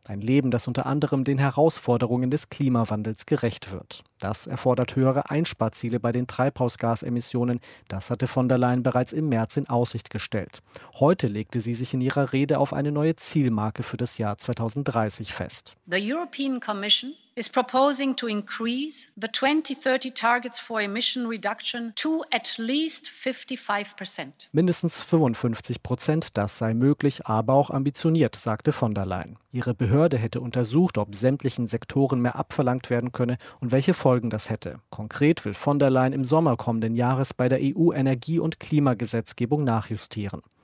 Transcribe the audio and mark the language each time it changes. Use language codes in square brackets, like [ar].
[de] Ein Leben, das unter anderem den Herausforderungen des Klimawandels gerecht wird. Das erfordert höhere Einsparziele bei den Treibhausgasemissionen. Das hatte von der Leyen bereits im März in Aussicht gestellt. Heute legte sie sich in ihrer Rede auf eine neue Zielmarke für das Jahr 2030 fest. [en] The European Commission is proposing to increase the 2030 targets for emission reduction to at least 55%. [de] Mindestens 55%, das sei möglich, aber auch ambitioniert, sagte von der Leyen. Ihre Behörde hätte untersucht, ob sämtlichen Sektoren mehr abverlangt werden könne und welche Folgen das hätte. Konkret will von der Leyen im Sommer kommenden Jahres bei der EU-Energie- und Klimagesetzgebung nachjustieren.